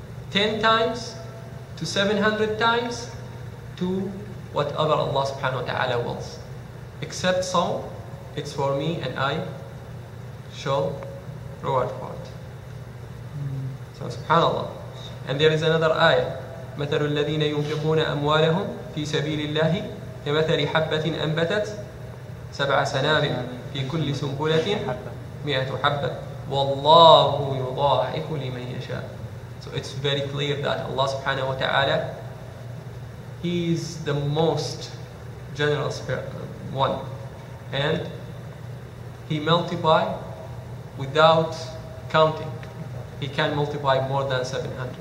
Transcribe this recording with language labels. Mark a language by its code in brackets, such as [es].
[en] 10 times to 700 times to whatever Allah subhanahu wa ta'ala wants. Except soul, it's for me and I shall reward for it. So subhanAllah. And there is another ayah. [ar] مثل الذين ينفقون أموالهم في سبيل الله كمثل حبة أنبتت سبع سنابل في كل سنبلة 100 حبة والله يضاعف لمن يشاء. [en] So it's very clear that Allah subhanahu wa ta'ala, He is the most generous one, and He multiply without counting. He can multiply more than 700.